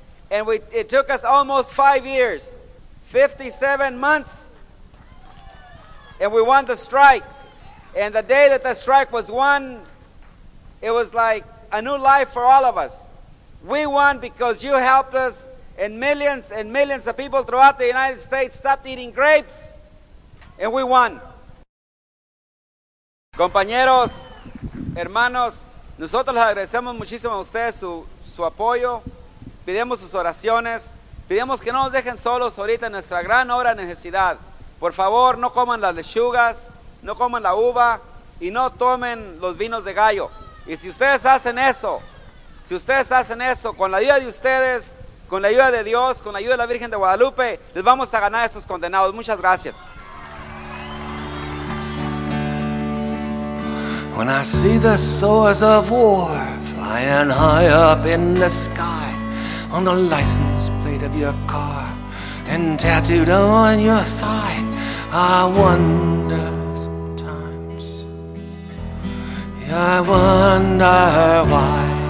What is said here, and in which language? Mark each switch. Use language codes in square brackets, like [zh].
[en] And it took us almost 5 years, 57 months, and we won the strike. And the day that the strike was won, it was like a new life for all of us. We won because you helped us, and millions of people throughout the United States stopped eating grapes, and we won. [es] Compañeros, hermanos, nosotros les agradecemos muchísimo a ustedes su apoyo. Pidemos sus oraciones. Pidemos que no nos dejen solos ahorita en nuestra gran hora de necesidad. Por favor, no coman las lechugas, no coman la uva y no tomen los vinos de gallo. Y si ustedes hacen eso, si ustedes hacen eso, con la ayuda de ustedes, con la ayuda de Dios, con la ayuda de la Virgen de Guadalupe, les vamos a ganar a estos condenados. Muchas gracias. [en] When I see the sores of war flying high up in the sky, on the license plate of your car and tattooed on your thigh, I wonder sometimes, yeah, I wonder why.